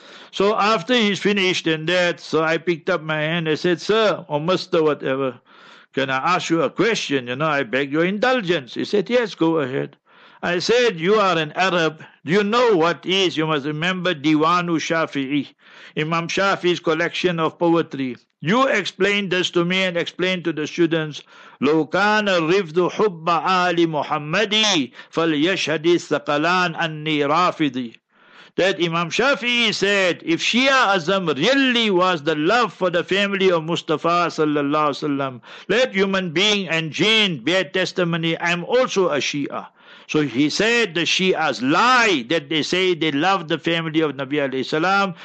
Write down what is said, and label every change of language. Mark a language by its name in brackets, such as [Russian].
[English] So after he's finished and that, so I picked up my hand. I said, sir or mister, whatever, can I ask you a question? You know, I beg your indulgence. He said, yes, go ahead. I said, you are an Arab. Do you know what is, you must remember, Diwanu Shafi'i, Imam Shafi'i's collection of poetry? You explain this to me and explain to the students. [Arabic] لو كان الرفض حب آل محمد فليشهد الثقلان أني رافضي. [English] That Imam Shafi'i said, if Shia Azam really was the love for the family of Mustafa sallallahu alaihi wasallam, let human being and jinn bear testimony, I'm also a Shia. So he said the Shias lie that they say they love the family of Nabi alayhi salam.